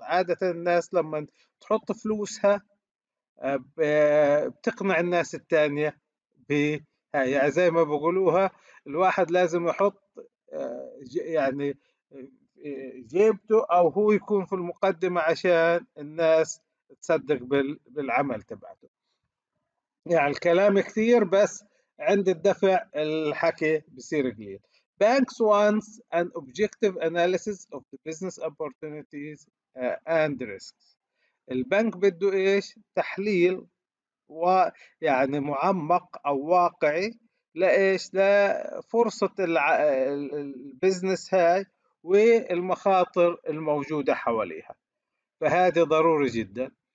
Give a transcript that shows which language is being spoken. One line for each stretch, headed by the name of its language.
Arabic: عاده الناس لما تحط فلوسها بتقنع الناس الثانية بها، يعني زي ما بقولوها الواحد لازم يحط يعني جيبته أو هو يكون في المقدمة عشان الناس تصدق بالعمل تبعته. يعني الكلام كثير بس عند الدفع الحكي بصير قليل.
English: Banks wants an objective analysis of the business opportunities and risks.
Arabic: البنك بده ايش؟ تحليل ويعني معمق او واقعي لايش؟ لفرصة البزنس هاي والمخاطر الموجودة حواليها، فهذه ضروري جدا.